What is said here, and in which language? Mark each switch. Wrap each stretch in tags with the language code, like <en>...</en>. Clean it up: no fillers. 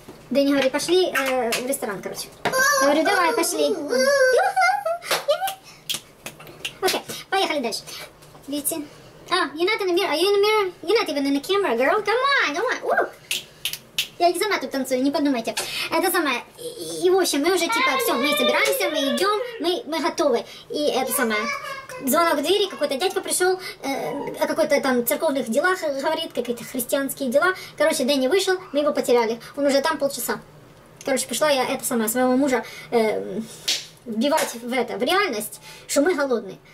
<ru>Дэнни говорит, пошли в ресторан, короче. Я говорю, давай, пошли. Окей, поехали дальше. Видите?</ru> <en>А, you're not in the mirror. Are you in the mirror? You're not even in the camera, girl. Come on, come on. Woo!</en> <ru>Я не сама тут танцую, не подумайте. Это самое. И в общем, мы уже типа все, мы собираемся, мы идем, мы готовы. И это самое. Звонок в двери, какой-то дядька пришел, о какой-то там церковных делах говорит, какие-то христианские дела. Короче, Дэнни вышел, мы его потеряли. Он уже там полчаса. Короче, пришла я это самое, своего мужа вбивать в это, в реальность, что мы голодные.</ru>